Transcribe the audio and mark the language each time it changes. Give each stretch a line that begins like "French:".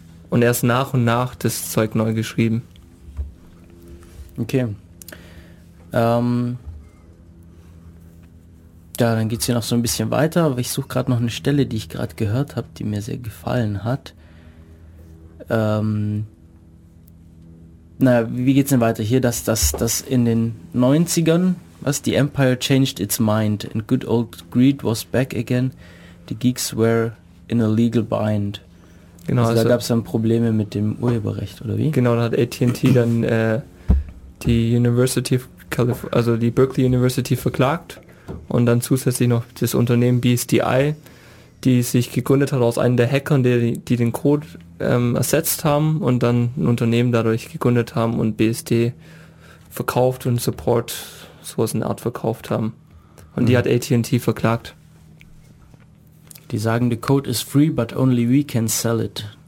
German: Und erst nach und nach das Zeug neu geschrieben. Okay. Ja, dann geht es hier noch so ein bisschen weiter, aber ich suche gerade noch eine Stelle, die ich gerade gehört habe, die mir sehr gefallen hat. Wie geht's denn weiter? Hier, dass in den 90ern, was,
English: the Empire changed its mind and good old greed was back again, the geeks were in a legal bind.
German: Genau. Also da gab es dann Probleme mit dem Urheberrecht, oder wie? Genau, da hat AT&T dann die University of California, also die Berkeley University verklagt. Und dann zusätzlich noch das Unternehmen BSDI, die sich gegründet hat aus einem der Hackern, die den Code ersetzt haben und dann ein Unternehmen dadurch gegründet haben und BSD verkauft und Support sowas in der Art verkauft haben. Und die hat AT&T verklagt. Die sagen,
English: the code is free, but only we can sell it.